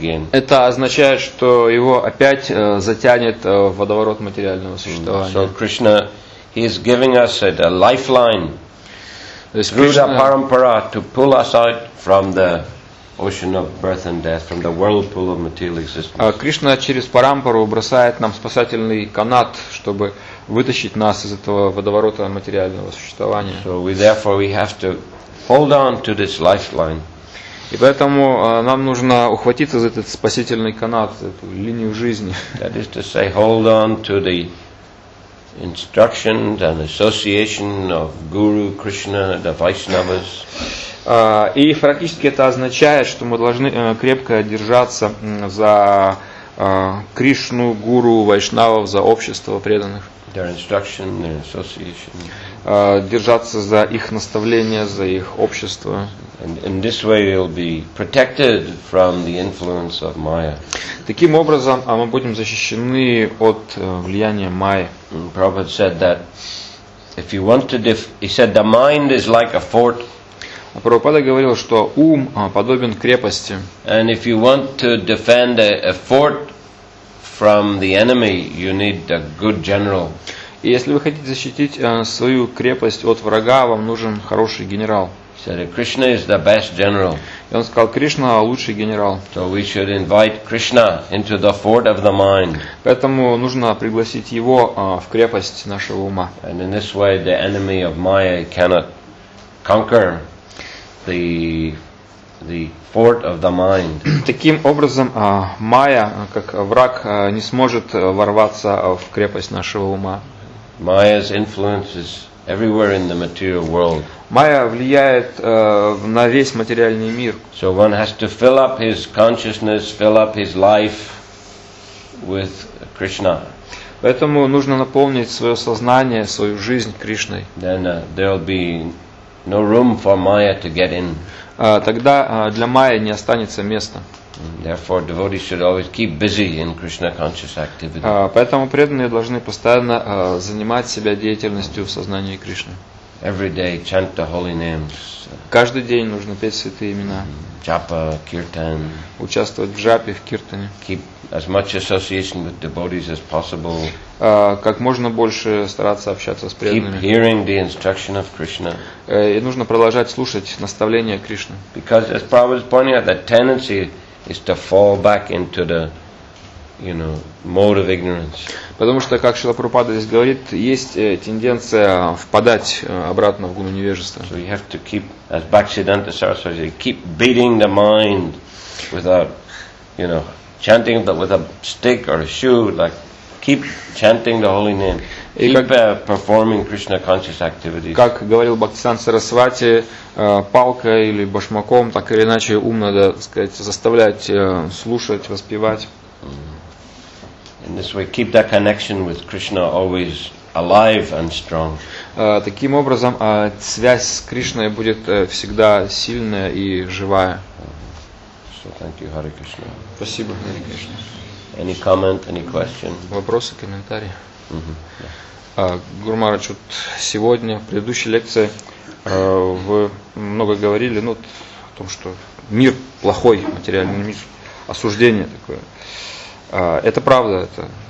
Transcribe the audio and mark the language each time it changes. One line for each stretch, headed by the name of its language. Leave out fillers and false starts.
Russian: Это означает, что его опять затянет в водоворот материального существования.
English: So Krishna, he is giving us a lifeline through the parampara to pull us out from the ocean of birth and death, from the whirlpool of material existence.
Russian: Кришна через парампару бросает нам спасательный канат, чтобы вытащить нас из этого водоворота материального существования.
English: So we therefore we have to hold on to this lifeline.
Russian: И поэтому нам нужно ухватиться за этот спасительный канат, эту линию жизни.
English: That is to say, hold on to the instruction and association of Guru Krishna, the Vaishnavas.
Russian: И практически это означает, что мы должны крепко держаться за Кришну, Гуру, Вайшнавов, за общество преданных.
English: Their instruction, their association.
Russian: Держаться за их наставления, за их общество.
English: And this way we'll be protected from the influence of Maya.
Russian: Таким образом, мы будем защищены от влияния Майи.
English: Prabhupada said that if you want to, he said the mind is like a fort.
Russian: Прабхупада говорил, что ум подобен крепости.
English: And if you want to defend a fort from the enemy, you need a good general.
Russian: И если вы хотите защитить свою крепость от врага, вам нужен хороший генерал.
English: Said Krishna is the best general.
Russian: И он сказал, Кришна лучший генерал.
English: So we should invite Krishna into the fort of the mind.
Russian: Поэтому нужно пригласить его в крепость нашего ума.
English: And in this way, the enemy of Maya cannot conquer the fort of the mind.
Russian: Таким образом, Майя, как враг, не сможет ворваться в крепость нашего ума.
English: Майя's influence is everywhere in the material world.
Russian: Майя влияет на весь материальный мир.
English: So one has to fill up his consciousness, fill up his life with Krishna.
Russian: Поэтому нужно наполнить свое сознание, свою жизнь Кришной.
English: Then there'll be no room for Maya to get in.
Russian: Тогда для Майи не останется места.
English: Therefore, devotees should always keep busy in Krishna conscious activity.
Russian: Поэтому преданные должны постоянно занимать себя деятельностью в сознании Кришны.
English: Every day chant the holy names.
Russian: Каждый день нужно петь святые имена.
English: Japa, kirtan.
Russian: Участвовать в джапе, в киртане.
English: Keep as much association with devotees as possible.
Russian: Как можно больше стараться общаться с преданными.
English: Keep hearing the instruction of Krishna.
Russian: И нужно продолжать слушать наставления Кришны.
English: Because as Prabhupada is pointing out, that tendency is to fall back into the, you know, mode of ignorance.
Russian: Потому что, как Шрила Прабхупада здесь говорит, есть тенденция впадать обратно в гуну невежества.
English: So you have to keep, as Bhaktisiddhanta Saraswati, keep beating the mind without, you know, chanting with a stick or a shoe, like keep chanting the holy name. Keep performing Krishna conscious activities.
Russian: Как говорил Бхактисиддханта Сарасвати, палкой или башмаком, так или иначе, ум надо, так сказать, заставлять слушать, воспевать.
English: In this way, keep that connection with Krishna always alive and strong.
Russian: Таким образом, связь с Кришной будет всегда сильная и живая.
English: So thank you, Hare Krishna.
Russian: Спасибо, Hare Krishna.
English: Any comment, any question?
Russian: Вопросы, комментарии? Гурмарач, вот сегодня в предыдущей лекции вы много говорили, ну, о том, что мир плохой, материальный мир, осуждение такое. Это правда, это.